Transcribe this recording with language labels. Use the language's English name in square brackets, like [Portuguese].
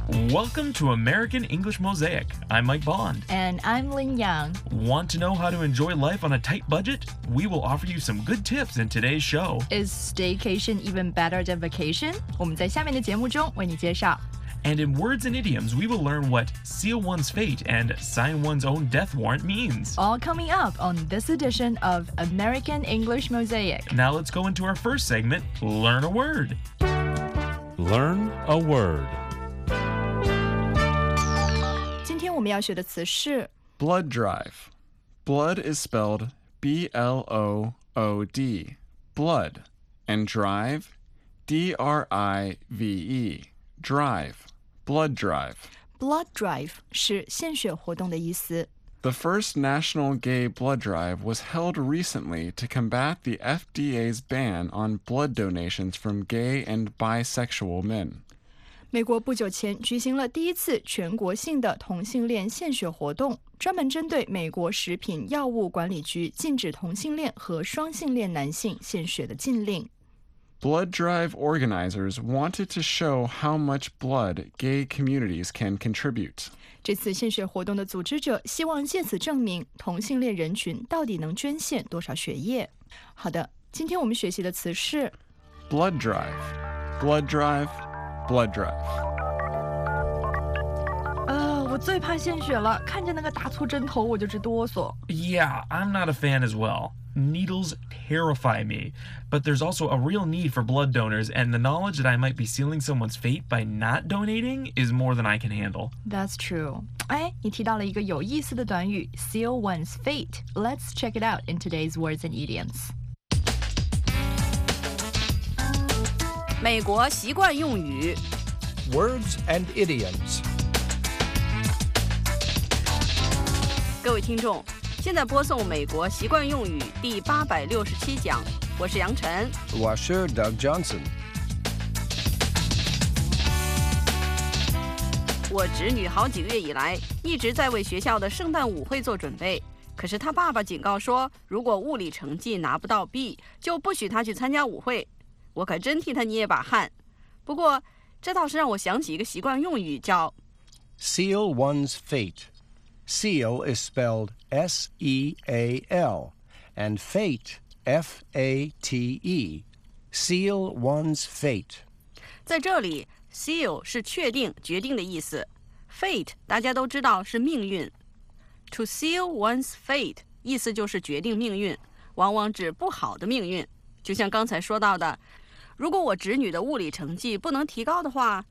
[English] Welcome to American English Mosaic. I'm Mike Bond. And I'm Lin Yang. Want to know how to enjoy life on a tight budget? We will offer you some good tips in today's show. Is staycation even better than vacation? [Chinese] 我们在下面的节目中为你介绍。 [English] And in words and idioms, we will learn what seal one's fate and sign one's own death warrant means. All coming up on this edition of American English Mosaic. Now let's go into our first segment, Learn a Word. Learn a Word. [Chinese] 今天我们要学的词是 [English] Blood drive. Blood is spelled B-L-O-O-D. Blood. And drive, D-R-I-V-E. Drive. Blood drive. [Chinese] Blood drive 是献血活动的意思。 [English] The first national gay blood drive was held recently to combat the FDA's ban on blood donations from gay and bisexual men. [Chinese] 美国不久前举行了第一次全国性的同性恋献血活动，专门针对美国食品药物管理局禁止同性恋和双性恋男性献血的禁令。 [English] Blood drive organizers wanted to show how much blood gay communities can contribute. [Chinese] 这次献血活动的组织者希望借此证明同性恋人群到底能捐献多少血液。好的，今天我们学习的词是 [English] Blood drive, blood drive, blood drive. [Chinese] 我最怕献血了，看见那个大粗针头我就直哆嗦。 [English] Yeah, I'm not a fan as well. Needles terrify me, but there's also a real need for blood donors, and the knowledge that I might be sealing someone's fate by not donating is more than I can handle. That's true. [Chinese] 你提到了一个有意思的短语 [English] seal one's fate. Let's check it out in today's words and idioms. [Chinese] 美国习惯用语 [English] Words and idioms. [Chinese] 各位听众现在播送美国习惯用语第867讲，我是杨晨，我是 Doug Johnson。我侄女好几个月以来一直在为学校的圣诞舞会做准备，可是她爸爸警告说如果物理成绩拿不到 B 就不许她去参加舞会，我可真替她捏把汗。不过这倒是让我想起一个习惯用语，叫 [English] Seal one's fateSeal is spelled S-E-A-L, and fate, F-A-T-E. Seal one's fate. [Chinese] 在这里 ,seal 是确定、决定的意思。 Fate, 大家都知道是命运。 [English] To seal one's fate, [Chinese] 意思就是决定命运，往往指不好的命运。就像刚才说到的，如果我侄女的物理成绩不能提高的话